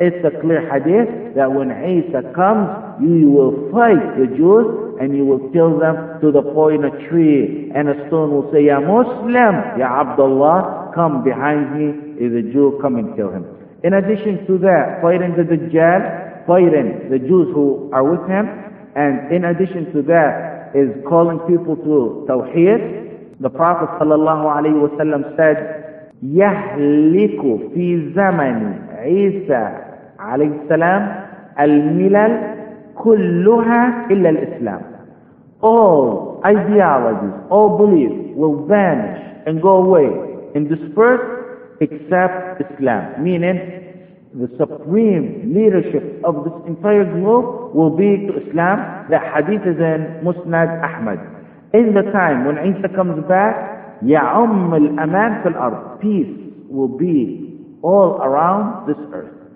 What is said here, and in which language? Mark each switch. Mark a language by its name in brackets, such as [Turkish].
[English] It's a clear hadith that when Isa comes, you will fight the Jews and you will kill them to the point a tree and a stone will say, [Arabic] Ya Muslim, Ya Abdullah, [English] come behind me. If a Jew, come and kill him. In addition to that, fighting the Dajjal, fighting the Jews who are with him, and in addition to that, is calling people to Tawheed. [Arabic] The Prophet sallallahu alayhi wa sallam said, يَهْلِكُ فِي زَمَنِ عِيسَى عَلَيْهِ السَّلَامِ الْمِلَلْ كُلُّهَا إِلَّا الْإِسْلَامِ. [English] All ideologies, all beliefs will vanish and go away and disperse except Islam. Meaning, the supreme leadership of this entire globe will be to Islam. The hadith is in Musnad Ahmad. In the time when Isa comes back, [Arabic] يَعُمْ الْأَمَانِ فِي الْأَرْضِ, [English] peace will be all around this earth.